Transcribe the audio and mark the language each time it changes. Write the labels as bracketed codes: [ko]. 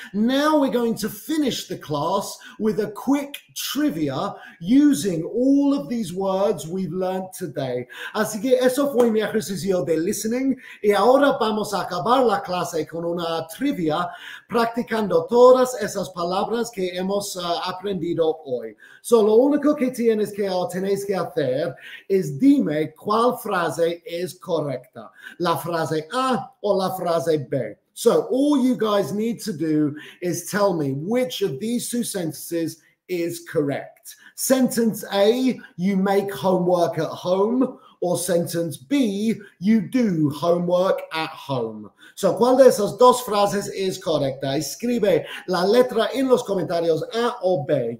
[en] Now we're going to finish the class with a quick trivia using all of these words we've learned today. [es] Así que eso fue mi ejercicio de listening. Y ahora vamos a acabar la clase con una trivia practicando todas esas palabras que hemos aprendido hoy. So lo único que tenéis que hacer es dime cuál frase es correcta. La frase A o la frase B. [en] So all you guys need to do is tell me which of these two sentences is correct. Sentence A, you make homework at home, or sentence B, you do homework at home. [es] So, ¿cuál de esas dos frases es correcta? Escribe la letra en los comentarios, A o B.